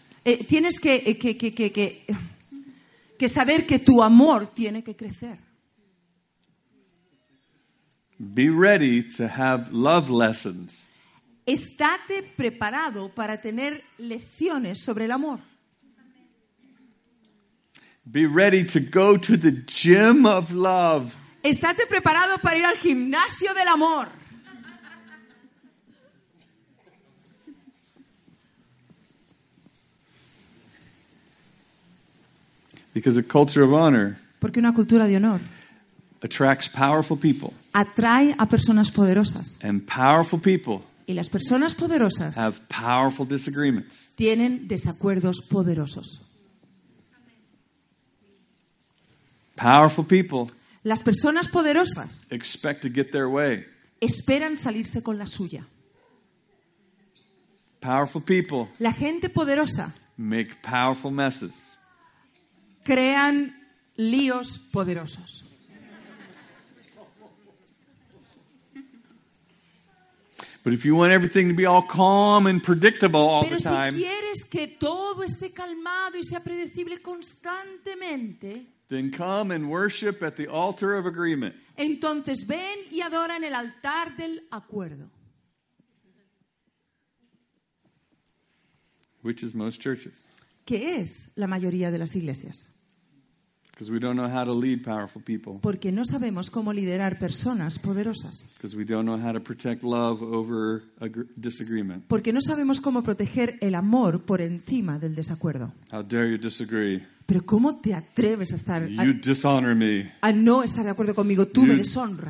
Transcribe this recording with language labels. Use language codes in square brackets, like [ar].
[es] Tienes que saber que tu amor tiene que crecer. [en] Be ready to have love lessons. [es] Estate preparado para tener lecciones sobre el amor. [en] Be ready to go to the gym of love. [es] Estate preparado para ir al gimnasio del amor. [en] Because a culture of honor. [es] Porque una cultura de honor. [en] Attracts powerful people. [es] Atrae a personas poderosas. [en] And powerful people. [es] Y las personas poderosas. [en] Have powerful disagreements. [es] Tienen desacuerdos poderosos. [en] Powerful people. [es] Las personas poderosas. [en] Expect to get their way. [es] Esperan salirse con la suya. [en] Powerful people. [es] La gente poderosa. [en] Make powerful messes. [es] Crean líos poderosos. [en] But if you want everything to be all calm and predictable all the time. [es] Pero si quieres que todo esté calmado y sea predecible constantemente. [en] Then come and worship at the altar of agreement. [es] Entonces ven y adora en el altar del acuerdo. [en] Which is most churches. [es] ¿Qué es la mayoría de las iglesias? [en] Because we don't know how to lead powerful people. [es] Porque no sabemos cómo liderar personas poderosas. [en] Because we don't know how to protect love over disagreement. [es] Porque no sabemos cómo proteger el amor por encima del desacuerdo. [en] How dare you disagree? [es] Pero cómo te atreves a estar. [en] You dishonor me. [es] A no estar de acuerdo conmigo, tú me deshonras.